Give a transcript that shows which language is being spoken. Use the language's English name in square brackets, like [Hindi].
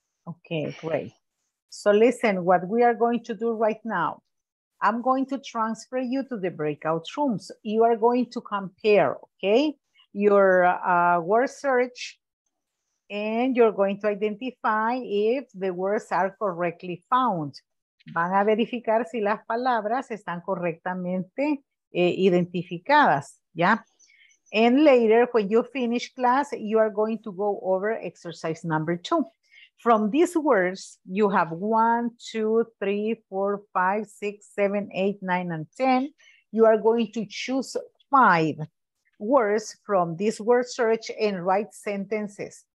[English] Okay, great. So listen, what we are going to do right now, I'm going to transfer you to the breakout rooms. You are going to compare, okay, your word search, and you're going to identify if the words are correctly found. [Spanish] Van a verificar si las palabras están correctamente identificadas, ¿ya? [English] And later, when you finish class, you are going to go over exercise number two. From these words, you have 1, 2, 3, 4, 5, 6, 7, 8, 9, and 10. You are going to choose 5 words from this word search and write sentences.